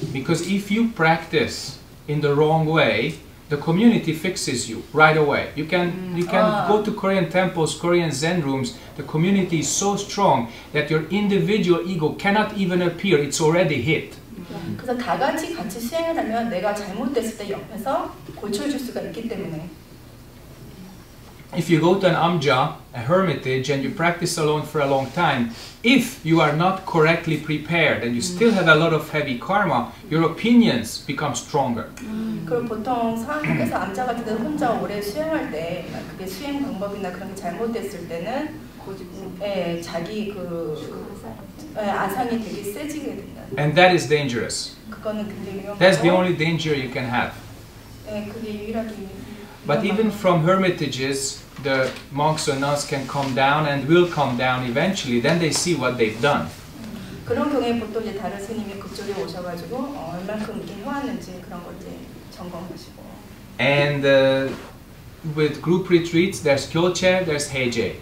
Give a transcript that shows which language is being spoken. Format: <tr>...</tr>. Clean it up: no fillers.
<en>Because if you practice in the wrong way, the community fixes you right away. You can go to Korean temples, Korean Zen rooms. The community is so strong that your individual ego cannot even appear. It's already hit.</en> <ko>그래서 다 같이 수행을 하면 내가 잘못됐을 때 옆에서 고쳐줄 수가 있기 때문에.</ko> <en>If you go to an amja, a hermitage, and you practice alone for a long time, if you are not correctly prepared and you still have a lot of heavy karma, your opinions become stronger.</en> <ko>그럼 보통 사람들께서 암자 같은 데 혼자 오래 수행할 때, 그게 수행 방법이나 그런 게 잘못됐을 때는 자기 아상이 되게 세지게 된다.</ko> <en>And that is dangerous.</en> <ko>그거는 굉장히 위험하고,</ko> <en>that's the only danger you can have.</en> <ko>그게 유일하게.</ko> <en>But even from hermitages, the monks or nuns can come down and will come down eventually. Then they see what they've done.</en> <ko>그런 경우에 보통 이제 다른 스님이 그쪽에 오셔가지고 얼만큼 이렇게 해왔는지 그런 걸 이제 점검하시고.</ko> <en>And with group retreats, there's Kyoche, there's Heije.</en>